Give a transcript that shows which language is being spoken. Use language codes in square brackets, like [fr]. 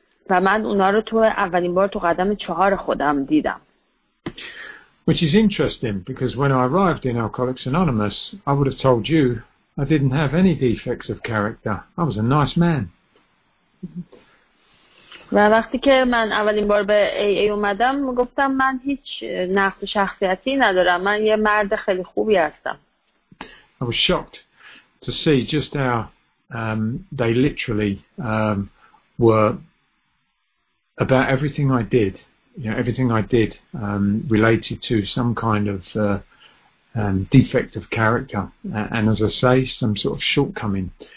[fa] و من اونا رو تو اولین بار تو قدم 4 خودم دیدم. [en] Which is interesting, because when I arrived in Alcoholics Anonymous, I would have told you I didn't have any defects of character. I was a nice man. [fa] و وقتی که من اولین بار به AA اومدم، گفتم من هیچ نقص شخصیتی ندارم. من یه مرد خیلی خوبی هستم. [en] I was shocked to see just how they literally were about everything I did, you know, everything I did related to some kind of defect of character, and as I say, some sort of shortcoming.